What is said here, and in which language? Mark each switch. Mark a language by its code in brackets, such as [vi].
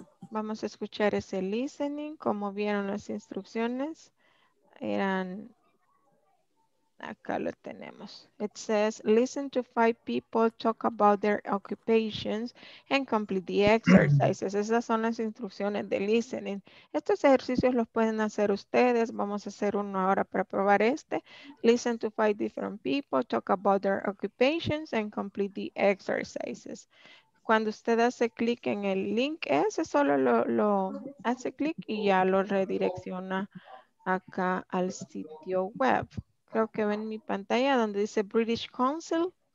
[es] Vamos a escuchar ese listening. Como vieron las instrucciones, eran, acá lo tenemos. [en] It says, listen to five people talk about their occupations and complete the exercises. [es] Esas son las instrucciones de listening. Estos ejercicios los pueden hacer ustedes. Vamos a hacer uno ahora para probar este. [en] Listen to five different people talk about their occupations and complete the exercises. [es] Cuando usted hace clic en el link, ese solo lo hace clic y ya lo redirecciona acá al sitio web. Creo que ven mi pantalla donde dice British Council.